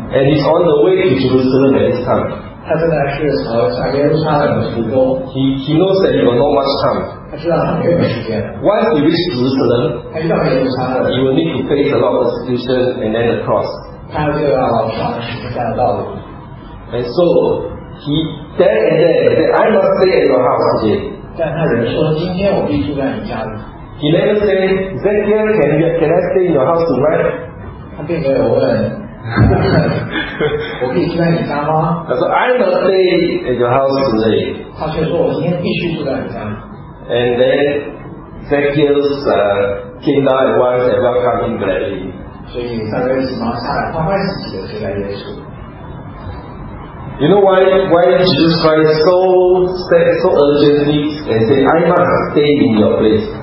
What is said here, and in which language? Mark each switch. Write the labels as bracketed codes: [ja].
[en] And he's on the way to Jerusalem at this time. [zh] 他现在是从耶路撒冷的途中。 [en] He knows that he will not much time. [zh] 他知道他没有时间。 [en] Once he reaches Jerusalem, [zh] 他一到耶路撒冷 [en] he will need to face a lot of persecution and then the cross. [zh] 他就要上十字架的道路。 [en] And so he there and there, "I must stay at your house today." [zh] 但他人说：“今天我必住在你家里。” [en] He never said, "Zacchaeus, can I stay in your house tonight?" [zh] 他并没有问，我可以住在你家吗？他说 [en] "I must stay in your house tonight." [zh] 他却说：“我今天必须住在你家里。” [en] And then Zacchaeus came down at once and welcomed him gladly. [zh] 所以撒该急忙下来，欢欢喜喜的接待耶稣。 [en] You know why Jesus Christ so urgently and say, "I must stay in your place"?